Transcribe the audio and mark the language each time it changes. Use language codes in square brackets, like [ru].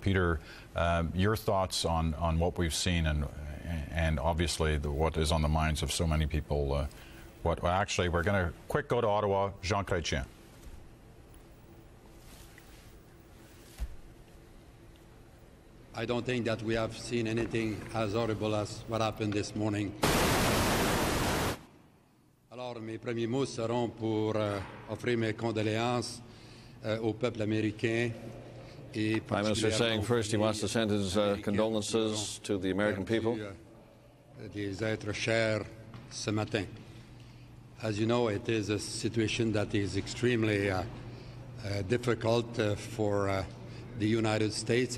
[en] Peter, your thoughts on what we've seen and obviously what is on the minds of so many people. We're going to quick go to Ottawa, Jean Chrétien. I don't think that we have seen anything as horrible as what happened this morning. [fr] Alors, mes premiers mots seront pour offrir mes condoléances au peuple américain. [en] Prime Minister saying first he wants to send his condolences to the American people. [fr] Des êtres chers ce matin. [en] As you know, it is a situation that is extremely difficult for the United States.